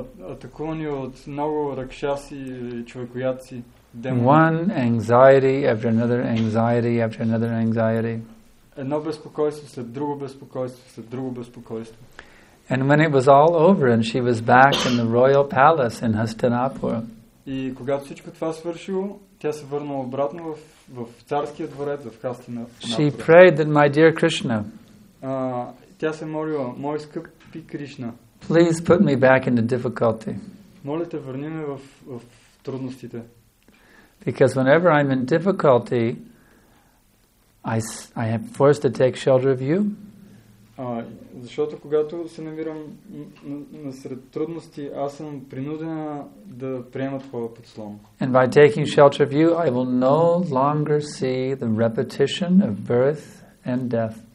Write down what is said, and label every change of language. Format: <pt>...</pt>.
<bg>Атакувани от много ракшаси и човекояци.</bg> <en>One anxiety after another anxiety after another anxiety.</en> <bg>Едно безпокойство след друго безпокойство след друго безпокойство.</bg> <en>And when it was all over and she was back in the royal palace in Hastinapur.</en> <bg>И когато всичко това свършило, тя се върнала обратно в царския дворец в Хастинапур.</bg> <en>She prayed that my dear Krishna.</en> <bg>Тя се молила: "Мой скъпи Кришна,</bg> <en>please put me back into difficulty."</en> <bg>Моля те, върни ме в трудностите.</bg> <en>Because whenever I'm in difficulty, I am forced to take shelter of you.</en> <bg>Защото когато се намирам насред трудности, аз съм принудена да приема твоя подслон.</bg> <en>And by taking shelter of you, I will no longer see the repetition of birth and death.</en>